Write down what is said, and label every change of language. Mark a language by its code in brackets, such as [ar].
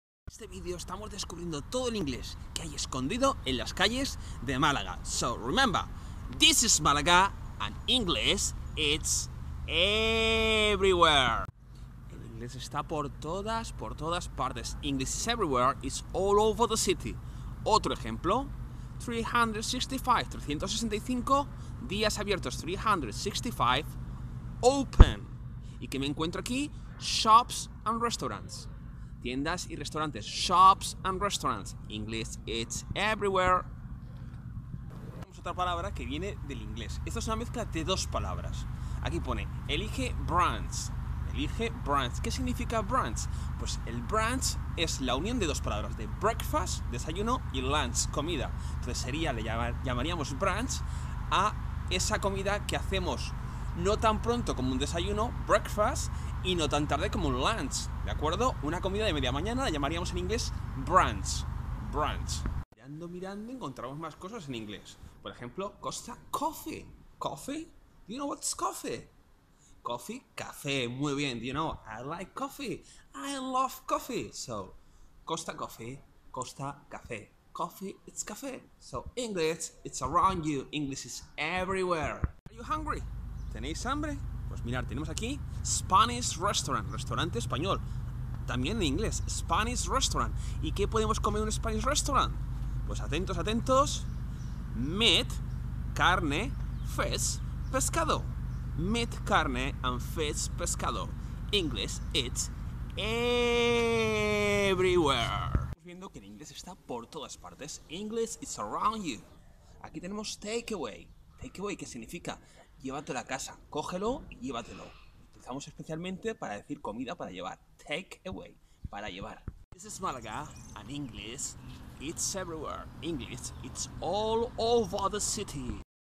[es] Este vídeo estamos descubriendo todo el inglés que hay escondido en las calles de Málaga. [en] So remember, this is Málaga and English, it's everywhere. [es] El inglés está por todas partes. [en] English is everywhere, it's all over the city. [es] Otro ejemplo, 365 días abiertos, 365 open. ¿Y qué me encuentro aquí? Shops and restaurants. Tiendas y restaurantes, shops and restaurants. [en] English, it's everywhere. [es] Tenemos otra palabra que viene del inglés. Esta es una mezcla de dos palabras. Aquí pone, elige brands. Elige brands. ¿Qué significa brands? Pues el brands es la unión de dos palabras, de breakfast, desayuno, y lunch, comida. Entonces sería, le llamaríamos brands a esa comida que hacemos no tan pronto como un desayuno, breakfast, y no tan tarde como un lunch, ¿de acuerdo? Una comida de media mañana la llamaríamos en inglés brunch, brunch. Mirando, encontramos más cosas en inglés. Por ejemplo, cosa coffee. Coffee? [en] Do you know what's coffee? Coffee, café, muy bien. Do you know, I like coffee. I love coffee. So, Costa coffee, Costa café. Coffee, it's café. So, English, it's around you. English is everywhere. Are you hungry? ¿Tenéis hambre? [es] Pues mirad, tenemos aquí Spanish restaurant, restaurante español, también en inglés, Spanish restaurant. ¿Y qué podemos comer en un Spanish restaurant? Pues atentos, meat, carne, fish, pescado. Meat, carne, and fish, pescado. English, it's everywhere. Estamos viendo que en inglés está por todas partes. English, it's around you. Aquí tenemos takeaway. Takeaway, ¿qué significa? Llévatelo a casa, cógelo y llévatelo. Utilizamos especialmente para decir comida para llevar. Take away, para llevar. [en] This is Málaga and English, it's everywhere. English, it's all over the city.